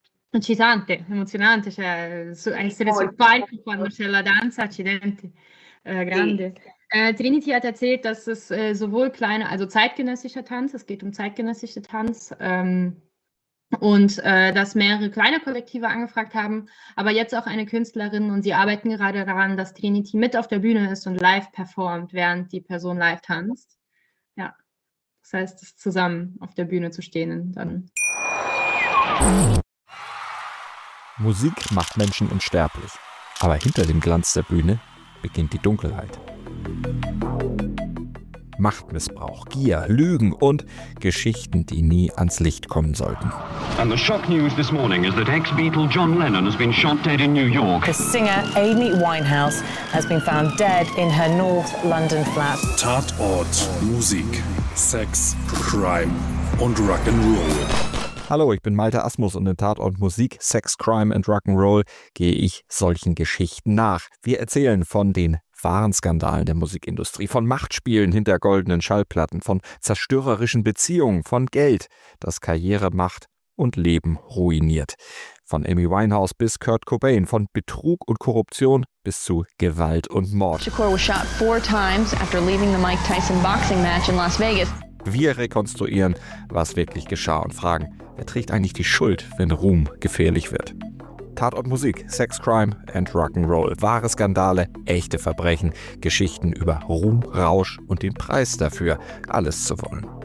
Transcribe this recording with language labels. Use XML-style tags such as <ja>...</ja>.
<it>Eccitante, emozionante, cioè Sì, essere sul molto. palco quando c'è la danza, accidenti, Sì. grande.</it> <de>Trinity hat erzählt, dass es sowohl kleiner, also zeitgenössischer Tanz, es geht um zeitgenössischer Tanz, und dass mehrere kleine Kollektive angefragt haben, aber jetzt auch eine Künstlerin und sie arbeiten gerade daran, dass Trinity mit auf der Bühne ist und live performt, während die Person live tanzt. Ja, das heißt, es zusammen auf der Bühne zu stehen, dann. Musik macht Menschen unsterblich, aber hinter dem Glanz der Bühne beginnt die Dunkelheit. Machtmissbrauch, Gier, Lügen und Geschichten, die nie ans Licht kommen sollten.</de> <en>And the shock news this morning is that ex-Beatle John Lennon has been shot dead in New York. The singer Amy Winehouse has been found dead in her North London flat.</en> <de>Tatort, Musik, Sex, Crime und Rock'n'Roll. Hallo, ich bin Malte Asmus und in Tatort Musik, Sex, Crime and Rock'n'Roll gehe ich solchen Geschichten nach. Wir erzählen von den wahren Skandalen der Musikindustrie, von Machtspielen hinter goldenen Schallplatten, von zerstörerischen Beziehungen, von Geld, das Karriere macht und Leben ruiniert. Von Amy Winehouse bis Kurt Cobain, von Betrug und Korruption bis zu Gewalt und Mord.</de> <en>Shakur was shot 4 times after leaving the Mike Tyson boxing match in Las Vegas.</en> <de>Wir rekonstruieren, was wirklich geschah und fragen, wer trägt eigentlich die Schuld, wenn Ruhm gefährlich wird? Tatort Musik, Sex, Crime and Rock'n'Roll. Wahre Skandale, echte Verbrechen, Geschichten über Ruhm, Rausch und den Preis dafür, alles zu wollen.</de>